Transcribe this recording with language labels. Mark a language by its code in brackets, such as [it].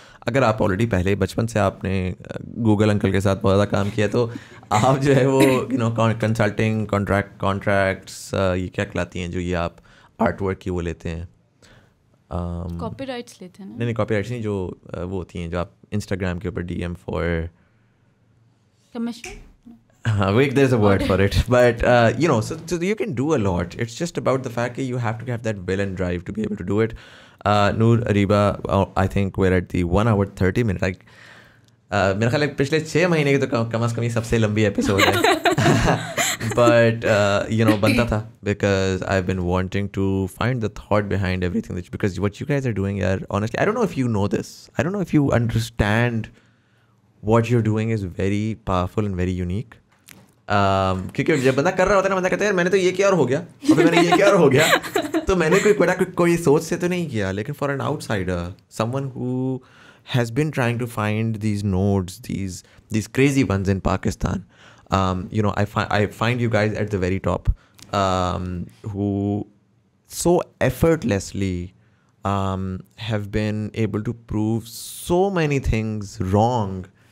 [ur] اگر آپ آلریڈی پہلے بچپن سے آپ نے گوگل انکل کے ساتھ بہت زیادہ کام کیا تو آپ جو ہے وہ یو نو کنسلٹنگ کانٹریکٹس یہ کیا کہلاتی ہیں جو یہ آپ آرٹ ورک کی وہ لیتے ہیں, کاپی رائٹس لیتے ہیں. نہیں نہیں کاپی رائٹس نہیں, جو وہ ہوتی ہیں جو آپ انسٹاگرام کے اوپر ڈی ایم فار [en] Commission, ہاں there is a word for it, but you know so you can do a lot. It's just about the fact you have to have that will and drive to be able to do it. Noor Areeba, I think we're at the 1 hour 30 minutes. Like [ur] میرا خیال ہے پچھلے 6 مہینے کے تو کم از کم یہ سب سے لمبی ایپیسوڈ ہے, [en] But you know بنتا تھا because I been wanting to find the thought behind everything because what you guys are doing یار honestly I don't know if you know this, I don't know if you understand what you are doing is very powerful and very unique. [ur] کیونکہ جب بندہ کر رہا ہوتا ہے نا بندہ کہتا ہے یار میں نے تو یہ کیا اور ہو گیا, ابھی میں نے یہ کیا اور ہو گیا, تو میں نے کوئی بڑا کوئی سوچ سے تو نہیں کیا, لیکن [en] For an outsider someone who has been trying to find these nodes, these crazy ones in Pakistan. I find you guys at the very top, who so effortlessly have been able to prove so many things wrong.